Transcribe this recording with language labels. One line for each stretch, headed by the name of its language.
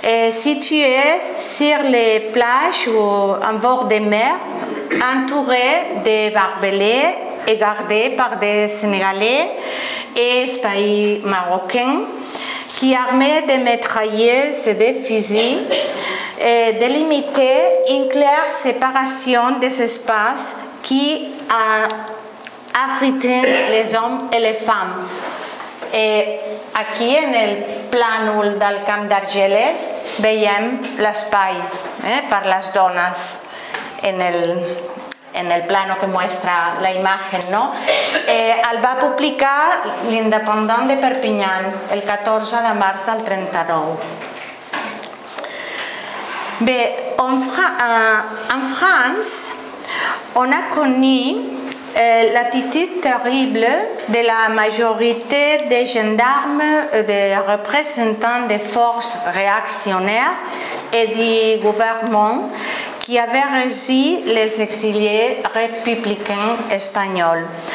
French: Située sur les plages ou en bord des mers, entourée de barbelés et gardée par des Sénégalais et espahis marocains qui, armés de mitrailleuses et de fusils, délimitaient une claire séparation des espaces qui abritaient les hommes et les femmes.
Catalan: Et aquí
Spanish: en el plànol del camp d'Argelès, veiem l'espai per les dones en el plano que muestra la imagen, ¿no?
Catalan: El va publicar l'Independent de Perpinyán el 14 de març del 39.
French: Mais en, en France, on a connu l'attitude terrible de la majorité des gendarmes, des représentants des forces réactionnaires et du gouvernement qui avaient reçu les exilés républicains espagnols,